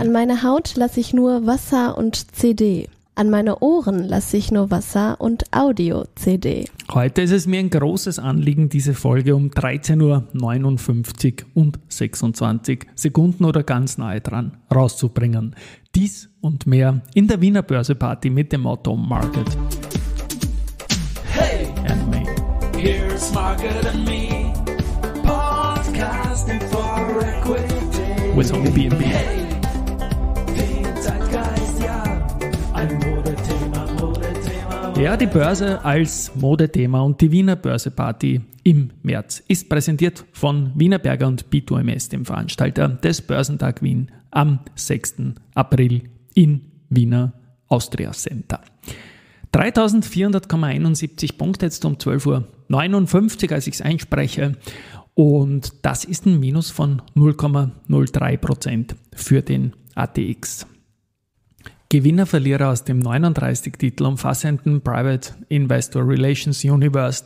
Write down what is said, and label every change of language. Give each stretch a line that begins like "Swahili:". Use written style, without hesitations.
German: An meiner Haut lasse ich nur Wasser und CD. An meine Ohren lasse ich nur Wasser und Audio-CD. Heute ist es mir ein großes Anliegen, diese Folge um 13.59 Uhr und 26 Sekunden oder ganz nahe dran rauszubringen. Dies und mehr in der Wiener Börseparty mit dem Motto Market.
English: Here's Market and Me, podcasting for equity. With only B&B.
German: Hey, ja, die Börse als Modethema und die Wiener Börseparty im März ist präsentiert von Wienerberger und B2MS, dem Veranstalter des Börsentag Wien am 6. April in Wiener Austria Center. 3.400,71 Punkte jetzt um 12.59 Uhr, als ich es einspreche. Und das ist ein Minus von 0,03% für den ATX. Gewinner-Verlierer aus dem 39 Titel umfassenden Private Investor Relations Universe.